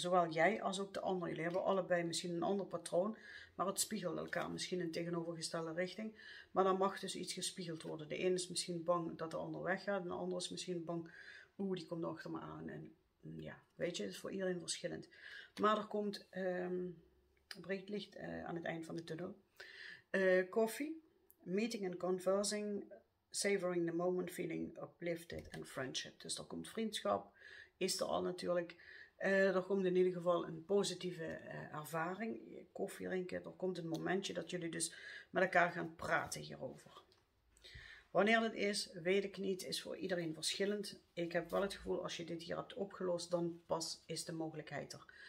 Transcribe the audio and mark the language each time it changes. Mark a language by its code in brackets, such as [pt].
[nl] Zowel jij als ook de ander. Jullie hebben allebei misschien een ander patroon, maar het spiegelt elkaar misschien in tegenovergestelde richting. Maar dan mag dus iets gespiegeld worden. De een is misschien bang dat de ander weggaat, en de ander is misschien bang, oeh, die komt achter me aan. En ja, weet je, het is voor iedereen verschillend. Maar er komt, breekt licht aan het eind van de tunnel. [en] Koffie, meeting and conversing, savoring the moment, feeling uplifted and friendship. [nl] Dus er komt vriendschap, is er al natuurlijk. Er komt in ieder geval een positieve ervaring. Koffie drinken, er komt een momentje dat jullie dus met elkaar gaan praten hierover. Wanneer het is, weet ik niet, is voor iedereen verschillend. Ik heb wel het gevoel, als je dit hier hebt opgelost, dan pas is de mogelijkheid er.